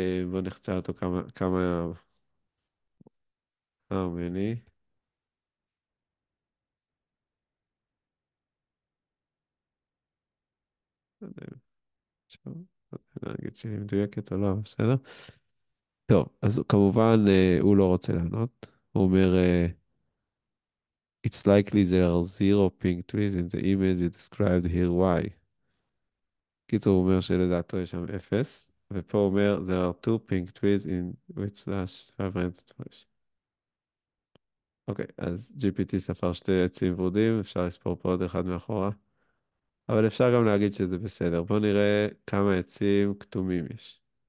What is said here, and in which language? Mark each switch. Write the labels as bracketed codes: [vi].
[he] בוא נחצה אותו כמה... [en] How many? [he] נגיד שהיא מדויקת או לא, בסדר? טוב, אז כמובן הוא לא רוצה לענות. הוא אומר, [en] It's likely there are zero pink trees in the image you described here, why? [he] קיצור, הוא אומר שלדעתו יש שם אפס, ופה הוא אומר, [en] There are two pink trees in which slash 500. [he] אוקיי, אז GPT ספר שתי עצים ורודים, אפשר לספור פה עוד אחד מאחורה. אבל אפשר גם להגיד שזה בסדר. בואו נראה כמה עצים כתומים יש.